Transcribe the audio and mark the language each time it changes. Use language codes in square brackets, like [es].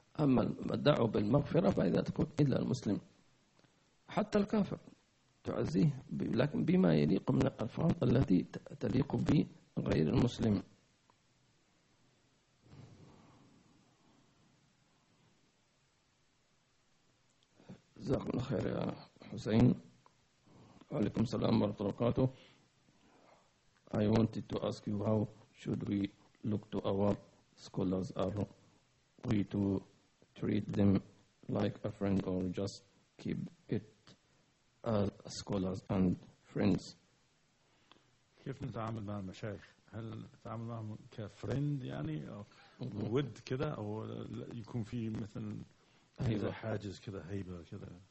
[ar] أما الدعوة بالمغفرة فإذا تكون إلا المسلم حتى الكافر تعزيه لكن بما يليق من الألفاظ التي تليق بغير المسلم. جزاكم الله خير يا حسين. وعليكم السلام ورحمة الله وبركاته. [en] I wanted to ask you how should we look to our scholars, are we to treat them like a friend or just keep it as scholars and friends? [ar] كيف نتعامل مع المشايخ؟ هل نتعامل معهم كفريند يعني ود كذا أو يكون في مثل هذا حاجز كذا هيبة كذا؟